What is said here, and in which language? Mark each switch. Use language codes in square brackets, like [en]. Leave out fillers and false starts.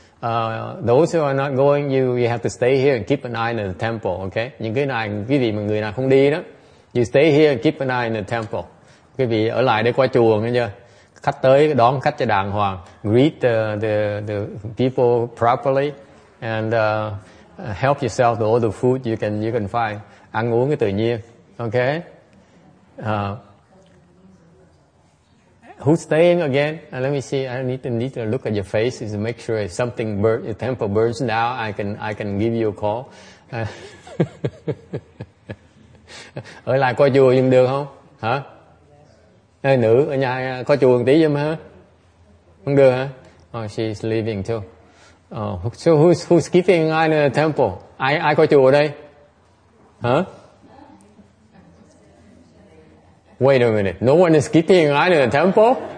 [en] Those who are not going, you have to stay here and keep an eye on the temple. [vi] Okay, những cái này quý vị mà người nào không đi đó, [en] you stay here and keep an eye on the temple. [vi] Quý vị ở lại để qua chùa nghe chưa? Khách tới đón khách cho đàng hoàng, [en] greet the people properly and help yourself to all the food you can find, [vi] ăn uống cái tự nhiên. [en] Okay. Who's staying again? Let me see. I need to look at your face to make sure if something burns, your temple burns now, I can give you a call. [vi] Ở lại coi chùa dùm được không? Hả? Hey, nữ ở nhà có chùa một tí giùm hả? Không được hả? [en] Oh, she's leaving too. Oh, so who's keeping an eye on the temple? [vi] Ai có chùa ở đây? Hả? [en] Wait a minute. No one is keeping an eye on the temple?